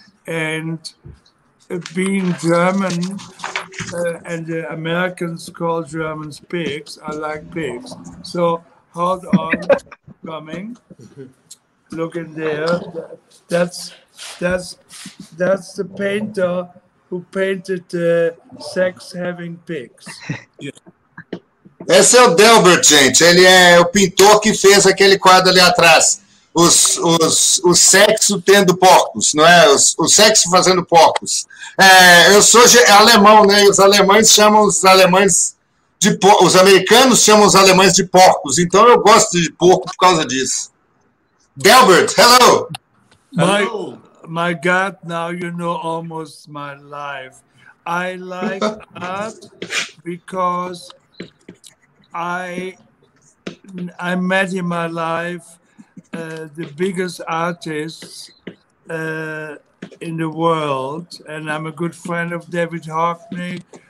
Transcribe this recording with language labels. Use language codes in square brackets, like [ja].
[en] And being German, and the Americans call Germans pigs, I like pigs. So hold on, coming. Look in there. That's the painter who painted the sex having pigs. [pt] Yeah. Esse é o Delbert, gente. Ele é o pintor que fez aquele quadro ali atrás. O sexo tendo porcos, não é? O sexo fazendo porcos. É, eu sou alemão, né? Os alemães chamam os alemães de porcos. Os americanos chamam os alemães de porcos. Então eu gosto de porco por causa disso. [en] Delbert, hello! My God, now you know almost my life. I like art because I met in my life the biggest artists in the world, and I'm a good friend of David Hockney.